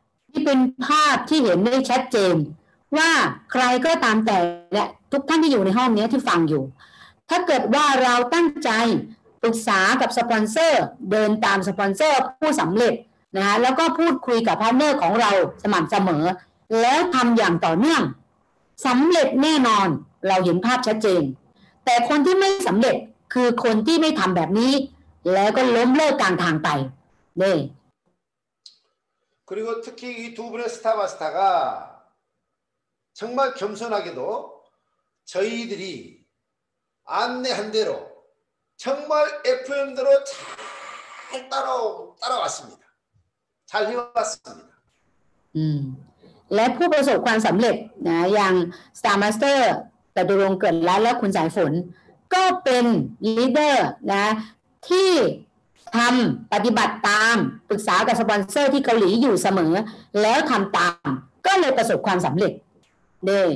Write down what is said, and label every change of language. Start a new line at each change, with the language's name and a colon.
Thai: นี่เป็นภาพที่เห็นได้ชัดเจนว่าใครก็ตามแต่และทุกท่านที่อยู่ในห้องนี้ที่ฟังอยู่ถ้าเกิดว่าเราตั้งใจปรึกษากับสปอนเซอร์เดินตามสปอนเซอร์ผู้สำเร็จนะแล้วก็พูดคุยกับพาร์ทเนอร์ของเราสม่ำเสมอแล้วทำอย่างต่อเนื่องสำเร็จแน่นอนเราเห็นภาพชัดเจนแต่คนที่ไม่สำเร็จคือคนที่ไม่ทำแบบนี้แล้วก็ล้มเลิกกลางทางไปเนี่ย
Korean: 그리고특히이두분의스타마스터가정말겸손하게도저희들이안내한대로정말 FM 대로잘따라왔습니다잘해왔습니다
Thai: และผู้ประสบความสำเร็จนะอย่างสตาร์มาสเตอร์แต่ดวงเกิดแล้วแล้วคุณสายฝนก็เป็นลีดเดอร์นะที่ทำปฏิบัติตามปรึกษากับสปอนเซอร์ที่เกาหลีอยู่เสมอแล้วทำตามก็เลยประสบความสำเร็จเด